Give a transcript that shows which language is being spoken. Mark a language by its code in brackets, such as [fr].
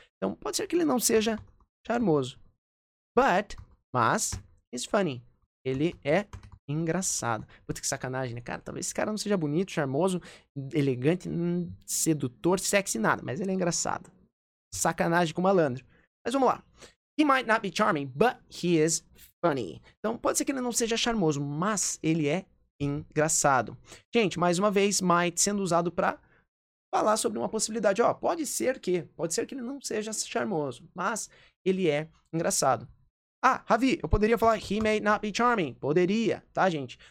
[pt] Então, pode ser que ele não seja charmoso. But, mas, [en] he's funny. [pt] Ele é engraçado. Puta que sacanagem, né? Cara, talvez esse cara não seja bonito, charmoso, elegante, sedutor, sexy, nada. Mas ele é engraçado. Sacanagem com malandro. Mas vamos lá. [en] He might not be charming, but he is funny. [pt] Então, pode ser que ele não seja charmoso, mas ele é engraçado. Gente, mais uma vez, might sendo usado pra falar sobre uma possibilidade. Ó, pode ser que ele não seja charmoso, mas ele é engraçado. Ah, Ravi, eu poderia falar [en] he may not be charming. [pt] Poderia, tá, gente?